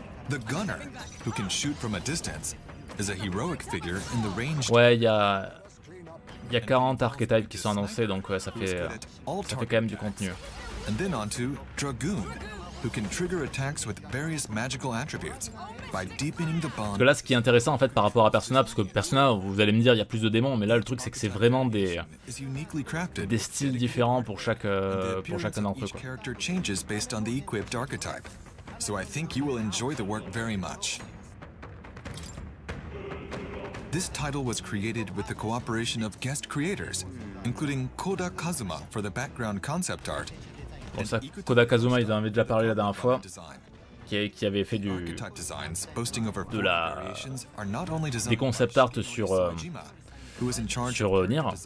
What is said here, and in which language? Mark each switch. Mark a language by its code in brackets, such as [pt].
[en] The gunner, who can shoot from a distance, is a heroic figure in the range. [fr] Ouais, il y a 40 archétypes qui sont annoncés, donc ouais, ça fait quand même du contenu. [en] And then on to Dragoon, who can trigger attacks with various magical attributes by deepening the bond. [fr] Parce que là, ce qui est intéressant en fait par rapport à Persona, parce que Persona, vous allez me dire, il y a plus de démons, mais là, le truc, c'est que c'est vraiment des styles différents pour chacun d'entre eux. [en] Each character changes based on the equipped archetype. So I think you will enjoy the work very much. This title was created with the cooperation of guest creators, including Koda Kazuma for the background concept art. [fr] Bon, ça, Koda Kazuma, ils en avaient déjà parlé la dernière fois, qui avait fait des concept art sur Nier.